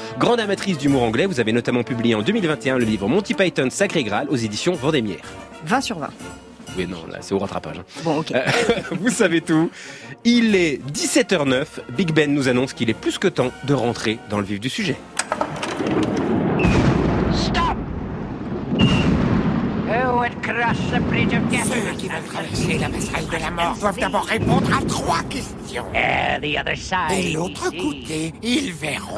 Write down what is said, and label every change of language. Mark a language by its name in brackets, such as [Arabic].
[French] Grande amatrice d'humour anglais, vous avez notamment publié en 2021 le livre Monty Python Sacré Graal aux éditions Vendémiaire. 20 sur 20. Oui, non, là, c'est au rattrapage. Hein. Bon, ok. Vous savez tout. Il est 17h09. Big Ben nous annonce qu'il est plus que temps de rentrer dans le vif du sujet. [English] Stop! Who would crush the bridge of death? [French] Ceux qui veulent traverser la passerelle de la mort doivent d'abord répondre à trois questions. [English] The other side. [French] Et l'autre côté, ils verront.